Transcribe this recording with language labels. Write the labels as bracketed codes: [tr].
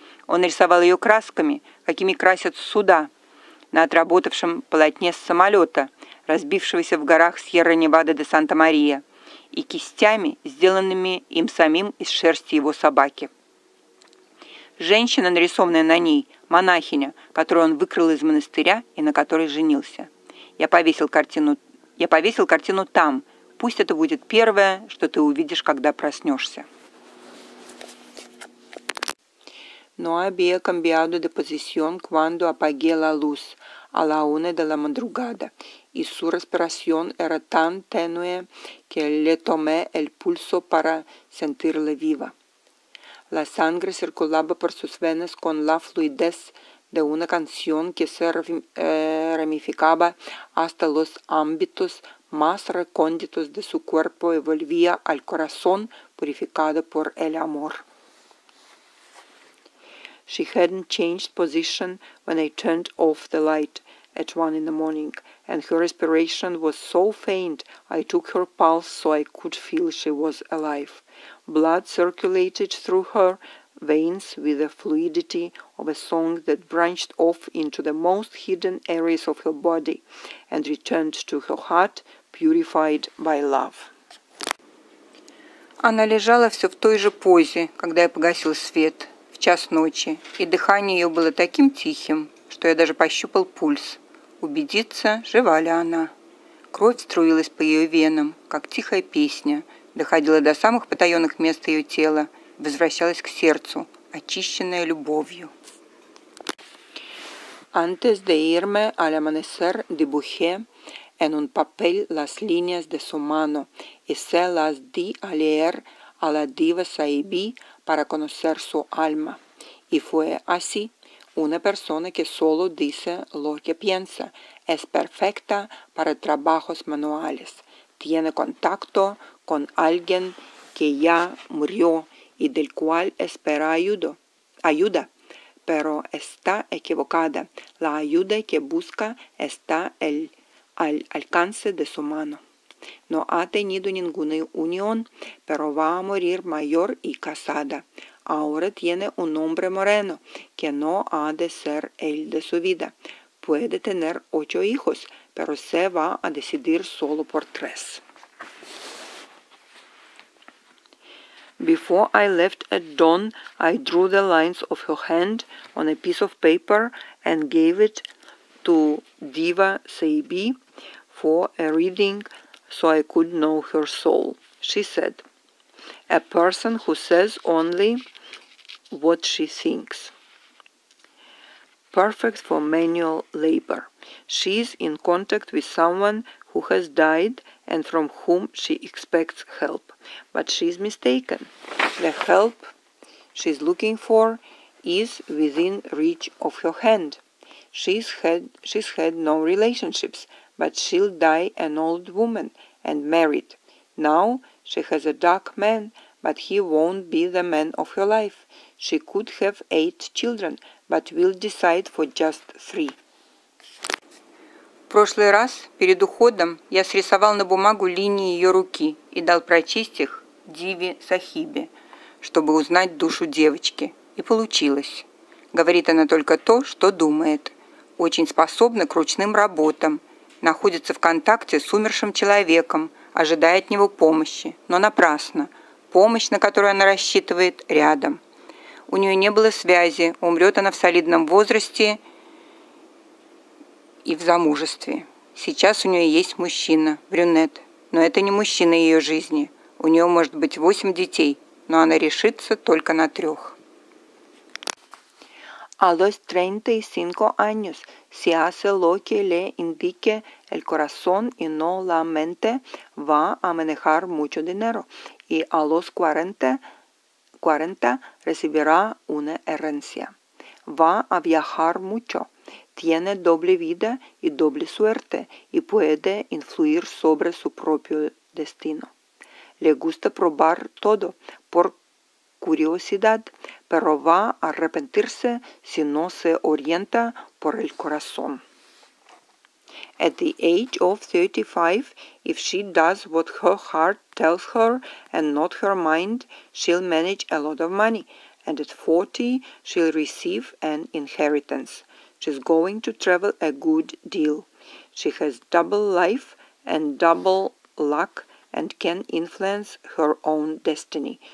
[ru] Он рисовал ее красками, какими красят суда, на отработавшем полотне с самолета, разбившегося в горах Сьерра-Невада де Санта-Мария, и кистями, сделанными им самим из шерсти его собаки. Женщина, нарисованная на ней, монахиня, которую он выкрал из монастыря и на которой женился. Я повесил картину там. Пусть это будет первое, что ты увидишь, когда проснешься. [es] No había cambiado de posición cuando apagué la luz a la una de la madrugada y su respiración era tan tenue que le tomé el pulso para sentirla viva. La sangre circulaba por sus venas con la fluidez de una canción que se ramificaba hasta los ámbitos más recónditos de su cuerpo y volvía al corazón purificado por el amor. [en] She hadn't changed position when I turned off the light at 1 a.m, and her respiration was so faint I took her pulse so I could feel she was alive. Blood circulated through her veins with the fluidity of a song that branched off into the most hidden areas of her body and returned to her heart, purified by love. [ru] Она лежала все в той же позе, когда я погасил свет. Час ночи, и дыхание ее было таким тихим, что я даже пощупал пульс. Убедиться, жива ли она. Кровь струилась по ее венам, как тихая песня, доходила до самых потаенных мест ее тела, возвращалась к сердцу, очищенная любовью. [es] Antes de irme al amanecer dibujé en un papel las líneas de su mano y se las di a leer a la diva Saibi para conocer su alma. Y fue así. Una persona que solo dice lo que piensa es perfecta para trabajos manuales. Tiene contacto con alguien que ya murió y del cual espera ayuda. Pero está equivocada. La ayuda que busca está al alcance de su mano. No ha tenido ninguna unión, pero va a morir mayor y casada. Ahora tiene un hombre moreno, que no ha de ser el de su vida. Puede tener 8 hijos, pero se va a decidir solo por 3. [en] Before I left at dawn, I drew the lines of her hand on a piece of paper and gave it to Diva Saibi for a reading, so I could know her soul. She said, a person who says only what she thinks. Perfect for manual labor. She is in contact with someone who has died and from whom she expects help. But she is mistaken. The help she is looking for is within reach of her hand. She's had no relationships, but she'll die an old woman and married. Now she has a dark man, but he won't be the man of her life. She could have 8 children, but will decide for just 3. [ru] В прошлый раз, перед уходом, я срисовал на бумагу линии ее руки и дал прочесть их Диве Сахибе, чтобы узнать душу девочки. И получилось. Говорит она только то, что думает. Очень способна к ручным работам. Находится в контакте с умершим человеком, ожидая от него помощи, но напрасно. Помощь, на которую она рассчитывает, рядом. У нее не было связи, умрет она в солидном возрасте и в замужестве. Сейчас у нее есть мужчина, брюнет, но это не мужчина ее жизни. У нее может быть 8 детей, но она решится только на 3. [es] A los 35 años si hace lo que le indique el corazón y no la mente, va a manejar mucho dinero. Y a los 40 recibirá una herencia. Va a viajar mucho. Tiene doble vida y doble suerte y puede influir sobre su propio destino. Le gusta probar todo por curiosidad, pero va a arrepentirse si no se orienta por el corazón. [en] At the age of 35, if she does what her heart tells her and not her mind, she'll manage a lot of money, and at 40, she'll receive an inheritance. She's going to travel a good deal. She has double life and double luck and can influence her own destiny.